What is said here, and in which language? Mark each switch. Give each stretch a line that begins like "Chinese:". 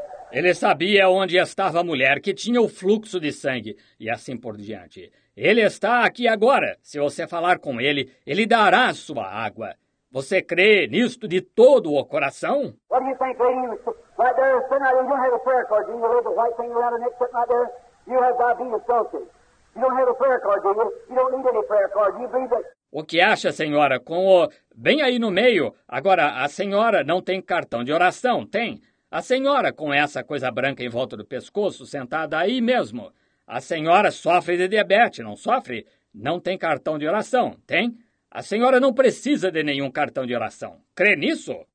Portuguese: Ele sabia onde estava a mulher que tinha o fluxo de sangue e assim por diante. Ele está aqui agora. Se você falar com ele, ele dará a sua água. Você crê nisto de todo o coração?
English: What do you think, lady? Right there, sitting right there. You don't have a prayer card, do you? You little white thing around the neck sitting right there? You have diabetes, don't you? You don't have a prayer card, do you? You don't need any prayer card. Do you believe it?
Portuguese: O que acha, senhora, com o... bem aí no meio? Agora, a senhora não tem cartão de oração, tem? A senhora com essa coisa branca em volta do pescoço, sentada aí mesmo. A senhora sofre de diabetes, não sofre? Não tem cartão de oração, tem? A senhora não precisa de nenhum cartão de oração. Crê nisso?